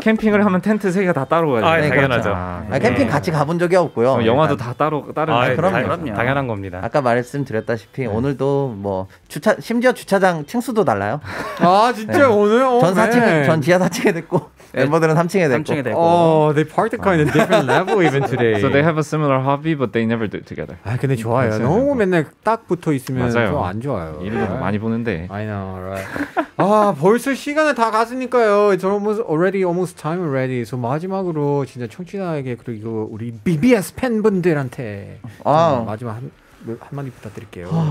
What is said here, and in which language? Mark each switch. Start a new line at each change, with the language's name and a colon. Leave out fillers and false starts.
Korean: 캠핑을 하면 텐트 세 개 다 따로 가야 돼요. 아, 네, 당연하죠. 아, 캠핑 네. 같이 가본 적이 없고요. 영화도 다 따로 다른 거. 그럼요. 당연한 겁니다. 아까 말씀드렸다시피 네. 오늘도 뭐 심지어 주차장 층수도 달라요. 아, 진짜 네. 오늘 전 4층에 전 지하 4층에 됐고 멤버들은 3층에 됐고.
English: They parked the car in a different level even today. So they have a similar hobby, but they never do it together.
Korean: 아, 근데 좋아요. 너무 맨날 딱 붙어 있으면 또 안 좋아요. 일도 많이 보는데.
English: I know, right?
Korean: 아, 벌써 시간은 다 갔으니까요.
English: It's almost time already.
Korean: So 마지막으로 진짜 청취자에게 그리고 우리 BBS 팬분들한테 마지막 한마디 부탁드릴게요.